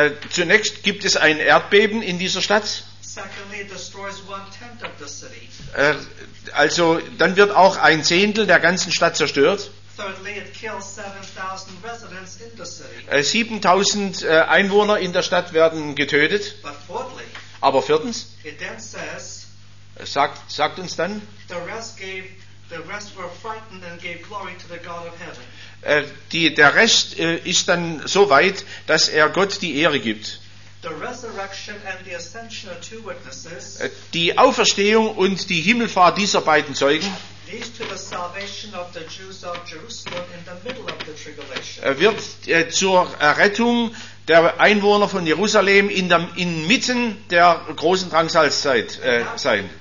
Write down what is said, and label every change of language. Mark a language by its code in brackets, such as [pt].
[de] Zunächst gibt es ein Erdbeben in dieser Stadt. [en] Secondly, it destroys one tenth of the city. [de] Also dann wird auch 1/10 der ganzen Stadt zerstört. [en] Thirdly, it kills 7,000 residents in the city. [de] 7,000 Einwohner in der Stadt werden getötet. [en] But fourthly, [de] aber viertens, [en] it then says, [de] sagt uns dann, [en] the rest were frightened and gave glory to the God of heaven. [de] Der Rest ist dann so weit, dass er Gott die Ehre gibt. [en] The resurrection and the ascension are two witnesses. [de] Die Auferstehung und die Himmelfahrt dieser beiden Zeugen wird zur Errettung der Einwohner von Jerusalem inmitten der großen Drangsalszeit sein.